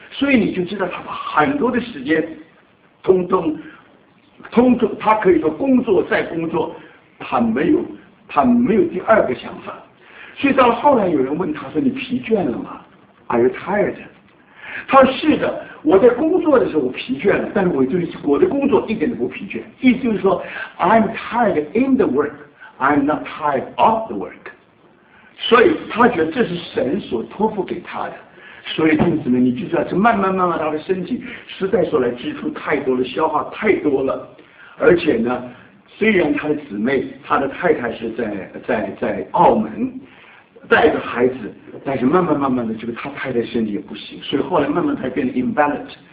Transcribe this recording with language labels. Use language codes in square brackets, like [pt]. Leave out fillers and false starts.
[zh] 所以你就知道他把很多的时间通通他可以说工作再工作，他没有第二个想法。所以到后来有人问他说，你疲倦了吗？ [en] Are you tired？ [zh] 他说是的，我在工作的时候我疲倦了，但是我的工作一点都不疲倦。意思就是说 [en] I'm tired in the work, [zh] I'm not tired of the work。所以他觉得这是神所托付给他的。所以弟子们，你就知道这慢慢他的身体实在说来支出太多了，消化太多了。而且呢，虽然他的姊妹他的太太是在澳门带着孩子，但是慢慢的这个他太太身体也不行，所以后来慢慢才变得 imbalance。